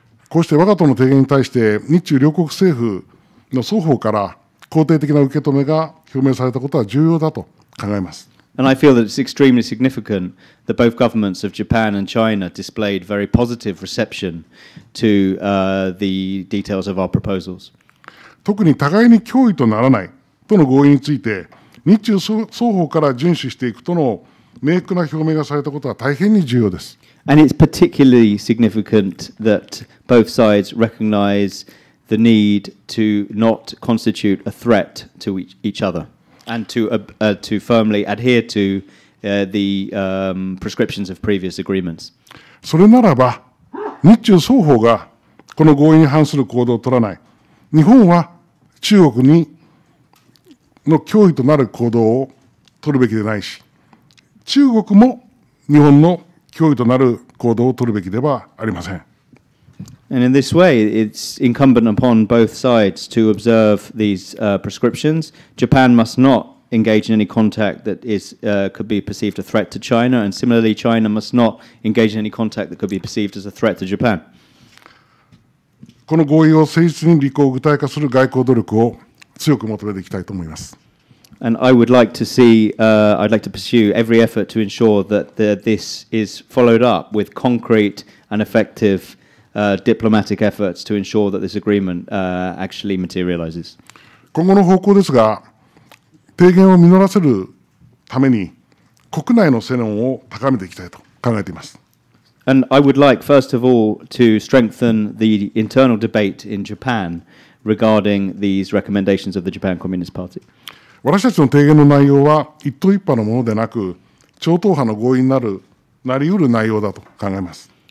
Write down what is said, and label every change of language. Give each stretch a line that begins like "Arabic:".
Japanese: こうして我が党の提言に対して日中両国政府の双方から肯定的な受け止めが表明されたことは重要だと考えます。
English: And I feel that it's extremely significant that both governments of Japan and China displayed very positive reception to the details of our proposals.
Japanese: 特に互いに脅威とならないとの合意について、日中双方から遵守していくとの明確な表明がされたことは大変に重要です。
English: And it's particularly significant that both sides recognize the need to not constitute a threat to each other and to firmly adhere to the prescriptions of previous agreements.
Japanese: それならば、日中双方がこの合意に反する行動を取らない。日本は中国にの脅威となる行動を取るべきでないし、中国も日本の脅威となる行動を取るべきではありません。
English: And in this way, it's incumbent upon both sides to observe these prescriptions. Japan must not engage in any contact that is could be perceived a threat to China, and similarly, China must not engage in any contact that could be perceived as a threat to Japan.
Japanese: この合意を誠実に履行具体化する外交努力を強く求めていきたいと思います。
English: And I would like to see, I'd like to pursue every effort to ensure that this is followed up with concrete and effective diplomatic efforts to ensure that this agreement actually materializes.
Japanese: 今後の方向ですが、提言を実らせるために国内の世論を高めていきたいと考えています。
English: And I would like, first of all, to strengthen the internal debate in Japan regarding these recommendations of the Japan Communist Party.
Japanese: 私たちの提言の内容は一党一派のものでなく、超党派の合意になる、なりうる内容だと考えます。